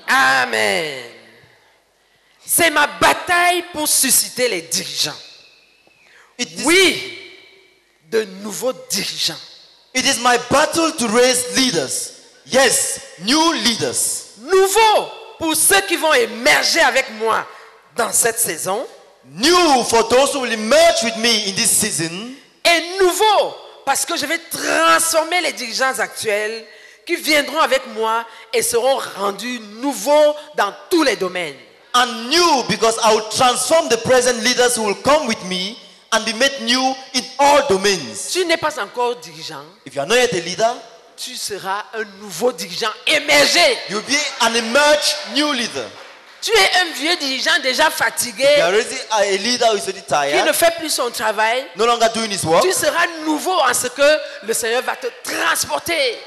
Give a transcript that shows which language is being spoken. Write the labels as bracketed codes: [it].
[fr] Amen. C'est ma bataille pour susciter les dirigeants. Oui, de nouveaux dirigeants. [en] It is my battle to raise leaders. Yes, new leaders. [fr] Nouveau pour ceux qui vont émerger avec moi dans cette saison. [en] New for those who will emerge with me in this season. [fr] Et nouveau parce que je vais transformer les dirigeants actuels qui viendront avec moi et seront rendus nouveaux dans tous les domaines. [en] And new because I will transform the present leaders who will come with me and be made new in all domains. [fr] Tu n'es pas encore dirigeant. [en] If you are not yet a leader, [fr] tu seras un nouveau dirigeant émergé. [en] You will be an emerge new leader. [fr] Tu es un vieux dirigeant déjà fatigué. [en] You are already a leader who is already tired. [fr] Qui ne fait plus son travail. [en] No longer doing his work. [fr] Tu seras nouveau en ce que le Seigneur va te transporter.